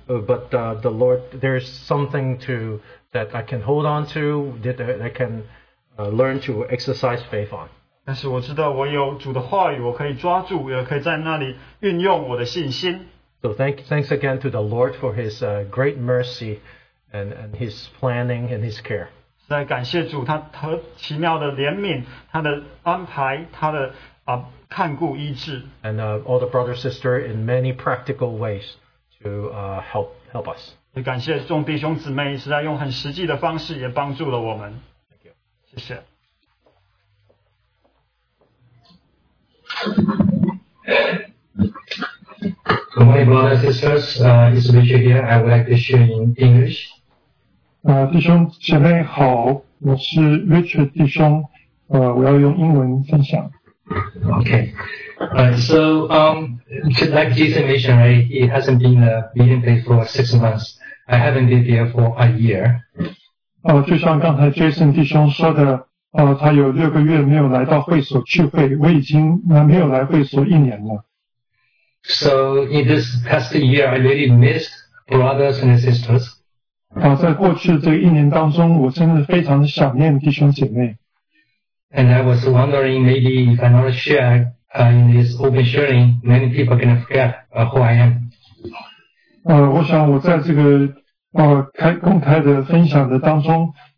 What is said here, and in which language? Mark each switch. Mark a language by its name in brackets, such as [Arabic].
[English] But the Lord, there's something to that I can hold on to, that I can learn to exercise faith on. [Chinese] 但是我知道我有主的话语，我可以抓住，也可以在那里运用我的信心。 [English] So thanks again to the Lord for His great mercy and His planning and His care. [Chinese] 实在感谢主，他奇妙的怜悯，他的安排，他的看顾医治。 [English] And all the brothers and sisters in many practical ways to help us. [Chinese] 也感谢众弟兄姊妹，实在用很实际的方式也帮助了我们。 [English] Thank you. [Chinese] 谢谢。 [English] Good morning, brothers and sisters. It's Richard here. I would like to share in English. [Chinese] 弟兄姐妹好，我是 Richard 弟兄。我要用英文分享。 [English] Okay. So, like Jason mentioned, right, it hasn't been a meeting place for 6 months. I haven't been there for a year. [Chinese] 就像刚才 Jason 弟兄说的。他有六个月没有来到会所聚会，我已经没有来会所一年了。 [English] So in this past year, I really missed brothers and sisters. [Chinese] 在过去这一年当中，我真的非常想念弟兄姐妹。 [English] And I was wondering maybe if I not share in this open sharing, many people can forget who I am. [Chinese] 我想我在这个公开的分享的当中。